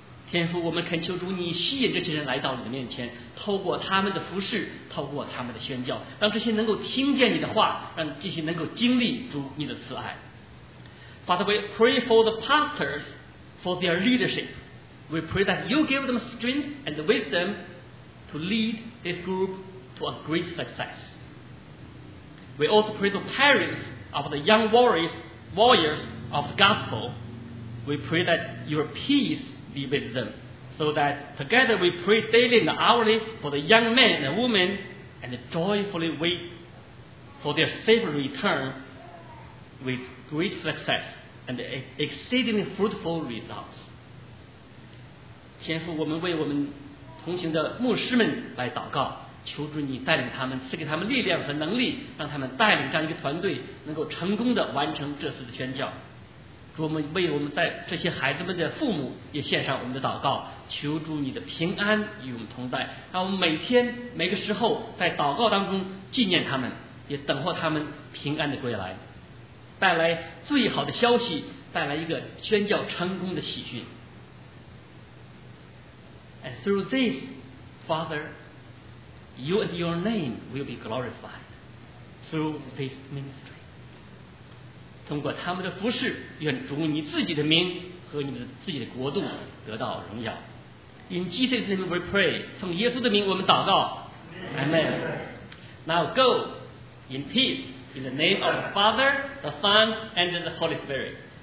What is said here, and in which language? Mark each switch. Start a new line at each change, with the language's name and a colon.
Chinese: 天父，我们恳求主你吸引这些人来到你的面前，透过他们的服事，透过他们的宣教，让这些能够听见你的话，让这些能够经历主你的慈爱。
English: Father, we pray for the pastors, for their leadership. We pray that you give them strength and wisdom to lead this group to a great success. We also pray for parents of the young warriors of the gospel. We pray that your peace be with them, so that together we pray daily and hourly for the young men and women, and joyfully wait for their safe return with great success and exceedingly fruitful results.
Chinese: 天父，我们为我们同行的牧师们来祷告，求主你带领他们，赐给他们力量和能力，让他们带领这样一个团队能够成功的完成这次的宣教。主，我们为我们在这些孩子们的父母也献上我们的祷告，求主你的平安与我们同在，让我们每天每个时候在祷告当中纪念他们，也等候他们平安的归来，带来最好的消息，带来一个宣教成功的喜讯。
English: And through this, Father, you and your name will be glorified through this ministry.
Chinese: 通过他们的服事，愿主你自己的名和你的自己的国度得到荣耀。
English: In Jesus' name we pray.
Chinese: 奉耶稣的名我们祷告。
English: Amen. Now go in peace in the name of the Father, the Son, and the Holy Spirit.